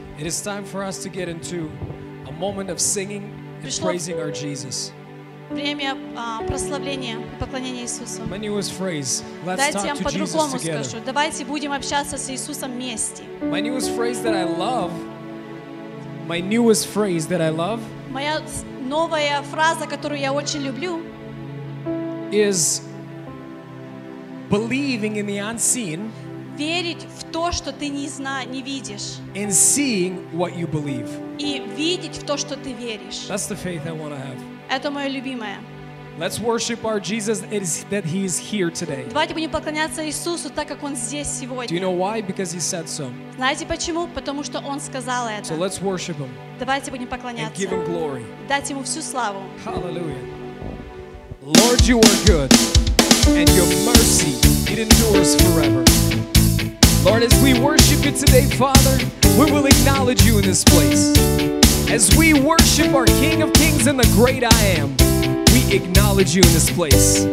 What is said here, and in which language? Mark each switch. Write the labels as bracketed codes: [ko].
[en] It is time for us to get into a moment of singing and praising our Jesus. [ru] Время прославления и поклонения Иисусу. [en] My newest phrase. Let's [ru] Дайте [en] talk [ru] вам [en] to Jesus [ru] скажу. [en] Together. [ru] Давайте будем общаться с Иисусом вместе. [en] My newest phrase that I love. My newest phrase that I love. [ru] Моя новая фраза, которую я очень люблю. [en] Is believing in the unseen. [ru] Верить в то, что ты не видишь. [en] And seeing what you believe. [ru] И видеть в то, что ты веришь. [en] That's the faith I want to have. [ru] Это моя любимая. [en] Let's worship our Jesus that He is here today. [ru] Давайте будем поклоняться Иисусу, так как Он здесь сегодня. [en] Do you know why? Because He said so. [ru] Знаете почему? Потому что Он сказал это. [en] So let's worship Him. [ru] Давайте будем поклоняться. [en] And give Him glory. [ru] Дать Ему всю славу. [en] Hallelujah. Lord, You are good, and Your mercy it endures forever. Lord, as we worship You today, Father, we will acknowledge You in this place. As we worship our King of Kings and the Great I Am, we acknowledge You in this place.